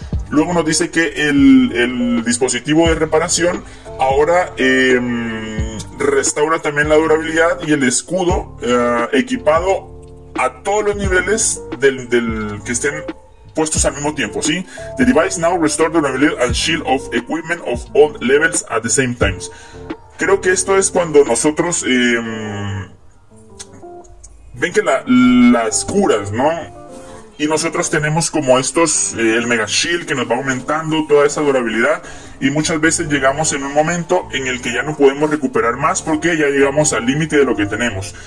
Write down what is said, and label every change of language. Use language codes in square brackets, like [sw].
[es] Luego nos dice que el dispositivo de reparación ahora restaura también la durabilidad y el escudo equipado a todos los niveles del que estén puestos al mismo tiempo, ¿sí? [en] The device now restore durability and shield of equipment of all levels at the same time. [es] Creo que esto es cuando nosotros ven que las curas, ¿no? Y nosotros tenemos como estos, el mega shield que nos va aumentando toda esa durabilidad. y muchas veces llegamos en un momento en el que ya no podemos recuperar más porque ya llegamos al límite de lo que tenemos.